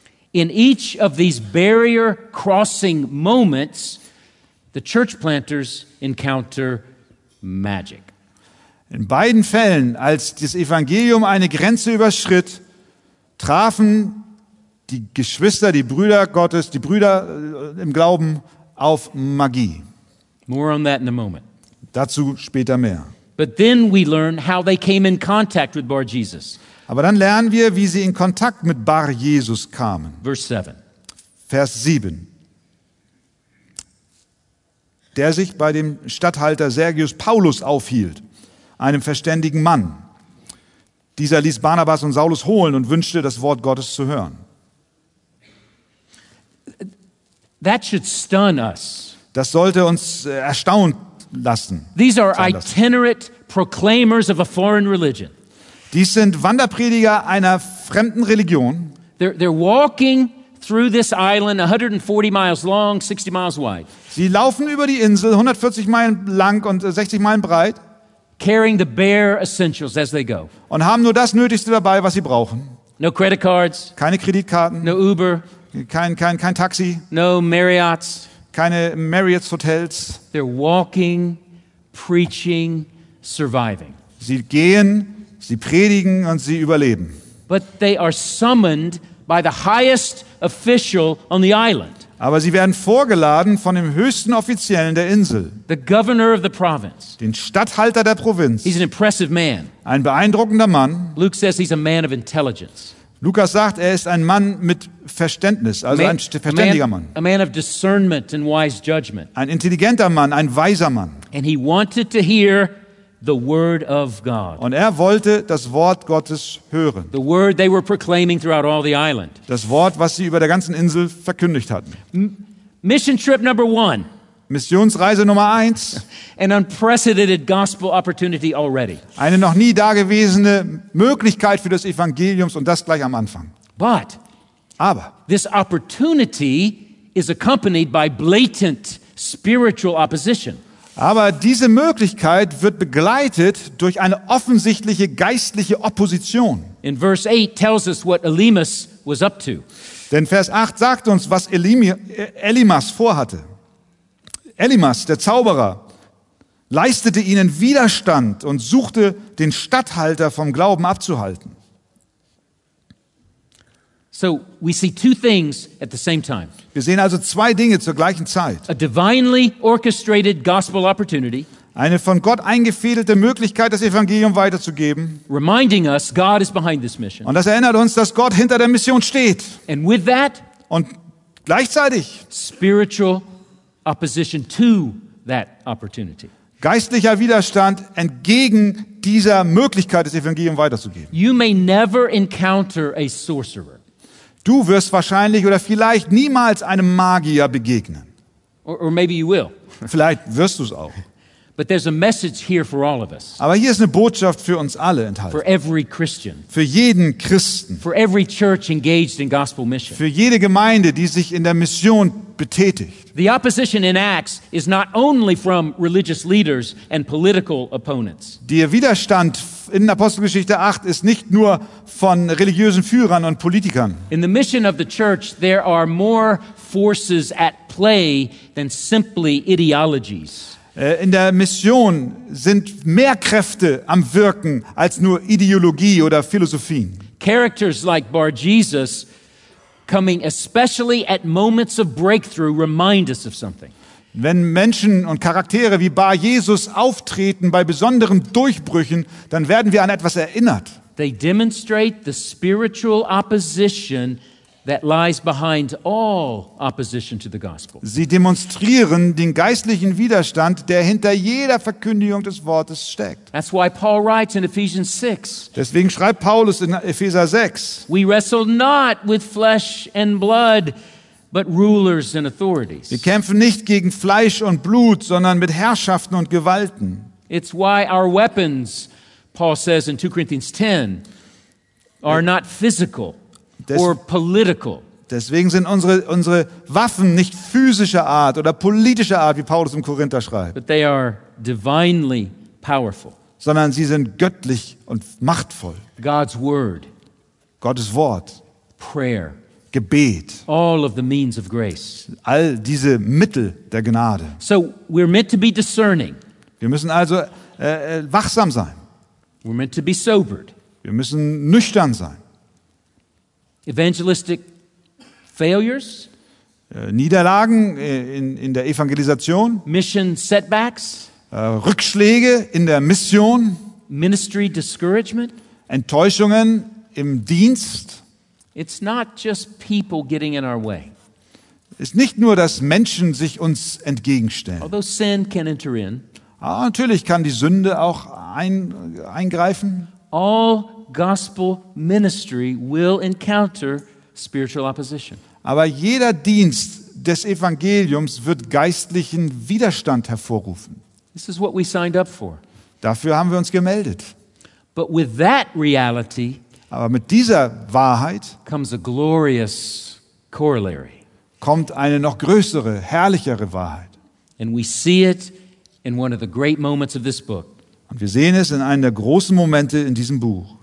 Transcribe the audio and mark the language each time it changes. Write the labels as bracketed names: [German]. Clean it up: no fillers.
[English] In each of these barrier crossing moments, the church planters encounter magic. [German] In beiden Fällen, als das Evangelium eine Grenze überschritt, trafen die Geschwister, die Brüder Gottes, die Brüder im Glauben auf Magie. [English] More on that in a moment. [German] Dazu später mehr. [English] But then we learn how they came in contact with Bar-Jesus. [German] Aber dann lernen wir, wie sie in Kontakt mit Bar-Jesus kamen. [English] Verse 7. [German] Vers 7. Der sich bei dem Statthalter Sergius Paulus aufhielt, einem verständigen Mann. Dieser ließ Barnabas und Saulus holen und wünschte, das Wort Gottes zu hören. [English] That should stun us. [German] Das sollte uns erstaunen lassen. [English] These are itinerant proclaimers of a foreign religion. [German] Dies sind Wanderprediger einer fremden Religion. [English] They're walking through this island, 140 miles long, 60 miles wide. [German] Sie laufen über die Insel, 140 Meilen lang und 60 Meilen breit. [English] Carrying the bare essentials as they go. [German] Und haben nur das Nötigste dabei, was sie brauchen. [English] No credit cards. [German] Keine Kreditkarten. [English] No Uber. [German] Kein Taxi. [English] No Marriotts. [German] Keine Marriott Hotels. [English] They're walking, preaching, surviving. [German] Sie gehen, sie predigen und sie überleben. [English] But they are summoned by the highest official on the island. [German] Aber sie werden vorgeladen von dem höchsten Offiziellen der Insel. [English] The governor of the province. [German] Den Statthalter der Provinz. [English] He's an impressive man. [German] Ein beeindruckender Mann. [English] Luke says he's a man of intelligence. [German] Lukas sagt, er ist ein Mann mit Verständnis, also ein verständiger Mann. [English] A man of discernment and wise judgment. [German] Ein intelligenter Mann, ein weiser Mann. [English] And he wanted to hear the word of God. [German] Und er wollte das Wort Gottes hören. [English] The word they were proclaiming throughout all the island. [German] Das Wort, was sie über der ganzen Insel verkündigt hatten. [English] Mission trip number one. [German] Missionsreise Nummer 1. [English] An unprecedented gospel opportunity already. [German] Eine noch nie dagewesene Möglichkeit für das Evangeliums und das gleich am Anfang. [English] But [German] aber [English] this opportunity is accompanied by blatant spiritual opposition. [German] Aber diese Möglichkeit wird begleitet durch eine offensichtliche geistliche Opposition. [English] In verse 8 tells us what Elymas was up to. [German] Denn Vers 8 sagt uns, was Elymas vorhatte. Elymas, der Zauberer, leistete ihnen Widerstand und suchte, den Statthalter vom Glauben abzuhalten. [English] So we see two things at the same time. [German] Wir sehen also zwei Dinge zur gleichen Zeit. [English] A divinely orchestrated gospel opportunity. [German] Eine von Gott eingefädelte Möglichkeit, das Evangelium weiterzugeben. [English] Reminding us, God is behind this mission. [German] Und das erinnert uns, dass Gott hinter der Mission steht. [English] And with that, [German] und gleichzeitig [English] spiritual opposition to that opportunity. [German] Geistlicher Widerstand entgegen dieser Möglichkeit, das Evangelium weiterzugeben. [English] You may never encounter a sorcerer. [German] Du wirst wahrscheinlich oder vielleicht niemals einem Magier begegnen. [English] Or maybe you will. [German] Vielleicht wirst du es auch. [English] But there's a message here for all of us. [German] Aber hier ist eine Botschaft für uns alle enthalten. [English] For every Christian. [German] Für jeden Christen. [English] For every church engaged in gospel mission. [German] Für jede Gemeinde, die sich in der Mission betätigt. [English] The opposition in Acts is not only from religious leaders and political opponents. [German] Der Widerstand in Apostelgeschichte 8 ist nicht nur von religiösen Führern und Politikern. [English] In the mission of the church there are more forces at play than simply ideologies. [German] In der Mission sind mehr Kräfte am Wirken als nur Ideologie oder Philosophien. [English] Characters like Bar-Jesus coming especially at moments of breakthrough remind us of something. [German] Wenn Menschen und Charaktere wie Bar-Jesus auftreten bei besonderen Durchbrüchen, dann werden wir an etwas erinnert. [English] They demonstrate the spiritual opposition that lies behind all opposition to the gospel. [German] Sie demonstrieren den geistlichen Widerstand, der hinter jeder Verkündigung des Wortes steckt. [English] That's why Paul writes in Ephesians 6. [German] Deswegen schreibt Paulus in Epheser 6. [English] We wrestle not with flesh and blood, but rulers and authorities. [German] Wir kämpfen nicht gegen Fleisch und Blut, sondern mit Herrschaften und Gewalten. [English] It's why our weapons, Paul says in 2 Corinthians 10, are not physical. Or political. [German] Deswegen sind unsere Waffen nicht physischer Art oder politischer Art, wie Paulus im Korinther schreibt. [English] But they are divinely powerful. [German] Sondern sie sind göttlich und machtvoll. [English] God's word. [German] Gottes Wort. [English] Prayer. [German] Gebet. [English] All of the means of grace. [German] All diese Mittel der Gnade. [English] So we're meant to be discerning. [German] Wir müssen also wachsam sein. [English] We're meant to be sobered. [German] Wir müssen nüchtern sein. [English] Evangelistic failures, [German] Niederlagen in der Evangelisation, [English] mission setbacks, [German] Rückschläge in der Mission, [English] ministry discouragement, [German] Enttäuschungen im Dienst. [English] It's not just people getting in our way. [German] Ist nicht nur, dass Menschen sich uns entgegenstellen. [English] Although sin can enter in, [German] natürlich kann die Sünde auch eingreifen. [English] All gospel ministry will encounter spiritual opposition. [German] Aber jeder Dienst des Evangeliums wird geistlichen Widerstand hervorrufen. [English] This is what we signed up for. [German] Dafür haben wir uns gemeldet. [English] But with that reality, [German] aber mit dieser Wahrheit [English] comes a glorious corollary. [German] Kommt eine noch größere, herrlichere Wahrheit. [English] And we see it in one of the great moments of this book. [German] Und wir sehen es in einem der großen Momente in diesem Buch.